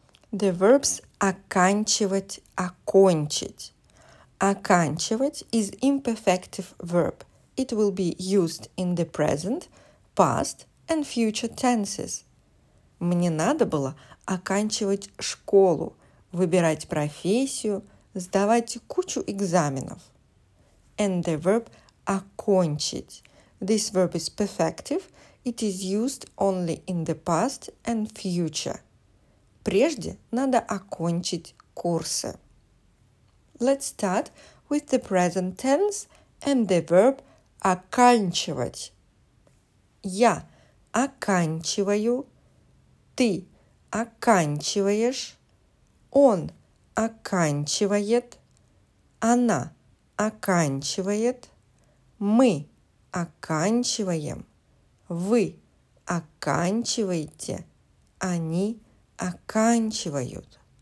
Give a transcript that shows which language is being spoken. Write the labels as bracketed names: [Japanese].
[English] The verbs оканчивать, окончить. Оканчивать is imperfective verb. It will be used in the present, past and future tenses. [Russian] Мне надо было оканчивать школу, выбирать профессию, сдавать кучу экзаменов. [English] And the verb окончить. This verb is perfective. It is used only in the past and future. [Russian] Прежде надо окончить курсы. [English] Let's start with the present tense and the verb оканчивать. [Russian] Я оканчиваю. Ты оканчиваешь, он оканчивает, она оканчивает, мы оканчиваем, вы оканчиваете, они оканчивают.